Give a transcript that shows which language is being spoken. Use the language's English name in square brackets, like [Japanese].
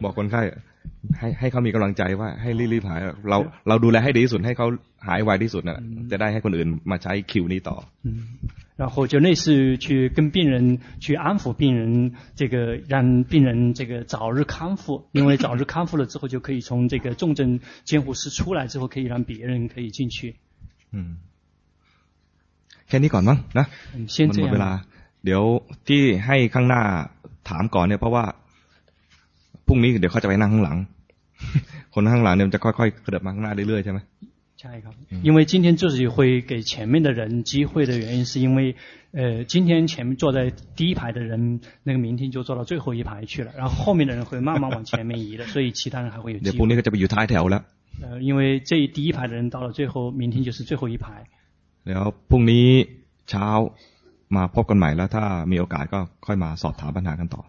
[Thai] บอกคนไข้ให้เขามีกำลังใจว่าให้รีบหายเราดูแลให้ดีที่สุดให้เขาหายไวที่สุดนะจะได้ให้คนอื่นมาใช้คิวนี้ต่ [Chinese] อ然后就类似去跟病人去安抚病人这个让病人这个早日康复因为早日康复了之后就可以从这个重症监护室出来之后可以让别人可以进去 [Thai] แค่นี้ก่อนมั้งนะ มัน หมดเวลาเดี๋ยวที่ให้ข้างหน้าถามก่อนเนี่ยเพราะว่าพรุ่งนี้เดี๋ยวเขาจะไปนั่งข้างหลังคนข้างหลังเนี่ยจะค่อยๆเคลื่อนมาข้างหน้าเรื่อยๆใช่ไหม ใช่ครับ [Chinese] 因为今天就是会给前面的人机会的原因是因为今天前面坐在第一排的人那个明天就坐到最后一排去了然后后面的人会慢慢往前面移的所以其他人还会有机会 [Thai] พรุ่งนี้ก็จะไปอยู่ท้ายแถวแล้ว [Chinese] 因为这第一排的人到了最后明天就是最后一排 [Thai] แล้วพรุ่งนี้เช้ามาพบกันใหม่แล้วถ้ามีโอกาสก็ค่อยมาสอบถามปัญหากันต่อ